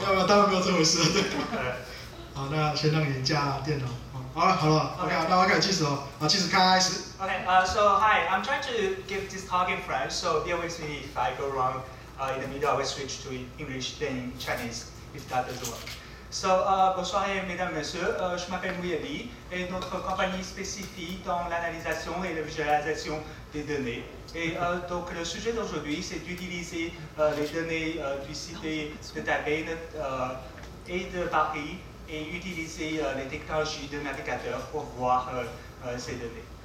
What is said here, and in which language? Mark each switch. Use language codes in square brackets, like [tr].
[zh] 没有没有，当然没有这回事。对。好，那先让你加电脑。好了 ，OK， 那我开始计时哦。好，计时开始。 [en] OK， so hi， I'm trying to give this talk in French， so bear with me if I go wrong。 In the middle, I will switch to English, then Chinese, if that doesn't work. [fr] So, bonsoir, mesdames, messieurs. Je m'appelle Mouyabi, et notre compagnie spécifie dans l'analysation et la visualisation des données. Et donc, le sujet d'aujourd'hui, c'est d'utiliser les données du site de Tavenne et de Paris, et utiliser les technologies de navigateur pour voir ces données.